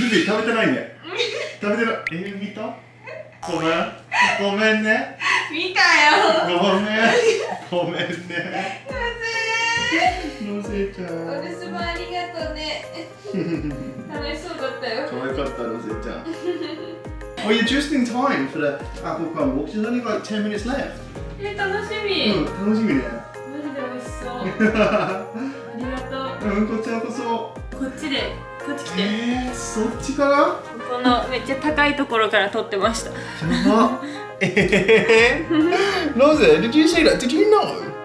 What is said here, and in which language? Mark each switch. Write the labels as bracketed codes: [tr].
[ja] ルビー食べてないね。食べてる。見た？ごめん。ごめんね。見たよ。ごめん。ごめんね。ごめんね。のせちゃん。お留守番ありがとうね。楽しそうだったよ。可愛かったのせちゃん。 [en] Oh, you're just in time for the apple crumble. There's only like 10 minutes left. [ja] 楽しみ。うん、楽しみね。マジで美味しそう。ありがとう。うん、こちらこそ。こっちで、こっち来て。そっちから？このめっちゃ高いところから撮ってました。やば。 [en] ロゼ、Did you see that? Did you know?